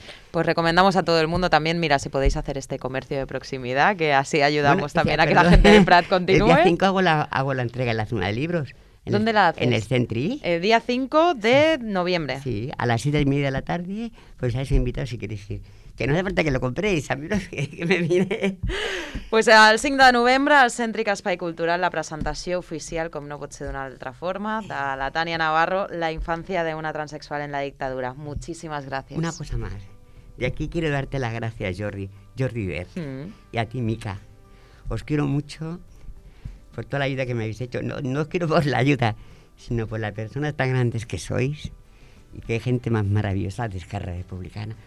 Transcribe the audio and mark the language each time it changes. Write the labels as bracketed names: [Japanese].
[Spanish] Pues recomendamos a todo el mundo también, mira, si podéis hacer este comercio de proximidad, que así ayudamos a que la gente de Prat continúe. El día 5 hago la entrega en la zona de libros. ¿Dónde la haces? En el Centri. El día 5 de noviembre. Sí, a las 7:30 de la tarde, pues habéis invitado si queréis ir. Que no hace falta que lo compréis, a mí no sé que me mire. [Catalan] Pues el 5 de novembre, al Centri Espai Cultural, la presentació oficial, com no pot ser d'una altra forma, de la Tània Navarro, La infància d'una transexual en la dictadura. Moltíssimes gràcies. Una cosa més. [Spanish] De aquí quiero darte las gracias, Jordi Ver, y a ti, Mica. Os quiero mucho por toda la ayuda que me habéis hecho. No, no os quiero por la ayuda, sino por las personas tan grandes que sois y qué gente más maravillosa de Esquerra Republicana.